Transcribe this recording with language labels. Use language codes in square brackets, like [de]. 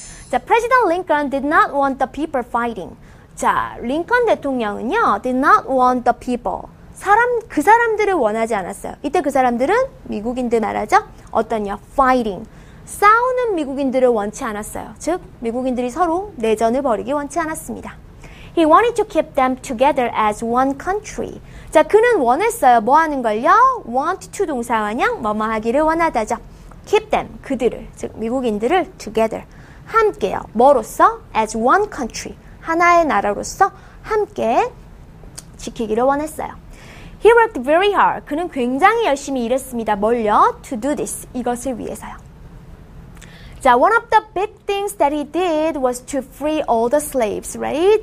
[en] 자, President Lincoln did not want the people fighting. 자, [ko] 링컨 대통령은요, [en] did not want the people. [ko] 사람 그 사람들을 원하지 않았어요. 이때 그 사람들은 미국인들 말하죠. 어떤요? Fighting. 싸우는 미국인들을 원치 않았어요. 즉 미국인들이 서로 내전을 벌이기 원치 않았습니다. [en] He wanted to keep them together as one country. [ko] 자, 그는 원했어요. 뭐 하는 걸요? Want to 동사와냥 뭐뭐 하기를 원하다죠. [en] Keep them, [ko] 그들을, 즉 미국인들을 together, 함께요. 뭐로서? [en] As one country, [ko] 하나의 나라로서 함께 지키기를 원했어요. [en] He worked very hard. [ko] 그는 굉장히 열심히 일했습니다. 뭘요? [en] To do this. [ko] 이것을 위해서요. [en] 자, one of the big things that he did was to free all the slaves, right?